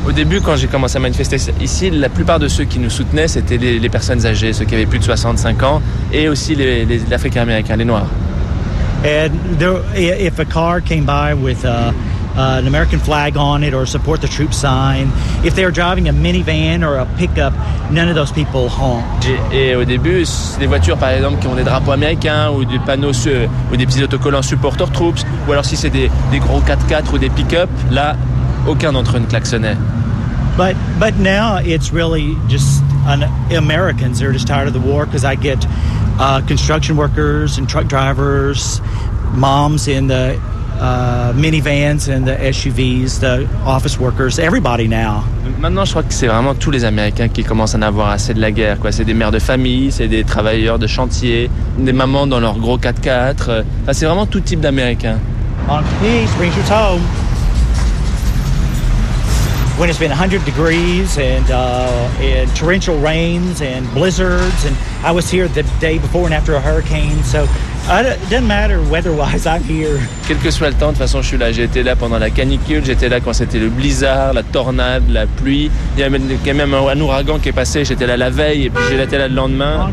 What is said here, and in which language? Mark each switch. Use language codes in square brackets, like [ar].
[fr] Au début, quand j'ai commencé à manifester ici, la plupart de ceux qui nous soutenaient, c'était les personnes âgées, ceux qui avaient plus de 65 ans, et aussi les Africains américains, les Noirs. [en] And if a car came by with an American flag on it or support the troops sign, if they were driving a minivan or a pickup, none of those people honked. [fr] Et au début, les voitures, par exemple, qui ont des drapeaux américains ou des panneaux ou des petits autocollants [en] support our troops, [fr] ou alors si c'est des gros 4x4 ou des pick-up, là, aucun d'entre eux ne klaxonnait. [en] But now it's really just Americans are just tired of the war because I get construction workers and truck drivers, moms in the minivans and the SUVs, the office workers, everybody now. [fr] Maintenant, je crois que c'est vraiment tous les Américains qui commencent à en avoir assez de la guerre. Quoi. C'est des mères de famille, c'est des travailleurs de chantier, des mamans dans leurs gros 4x4. Enfin, c'est vraiment tout type d'Américains. [en] On peace, bring your home. When it's been 100 degrees and torrential rains and blizzards, and I was here the day before and after a hurricane, so it doesn't matter weather-wise, I'm here. [fr] Quel que soit le temps, de toute façon, je suis là. J'ai été là pendant la canicule, j'étais là quand c'était le blizzard, la tornade, la pluie. Il y a même un ouragan qui est passé, j'étais là la veille, et puis j'ai été là le lendemain.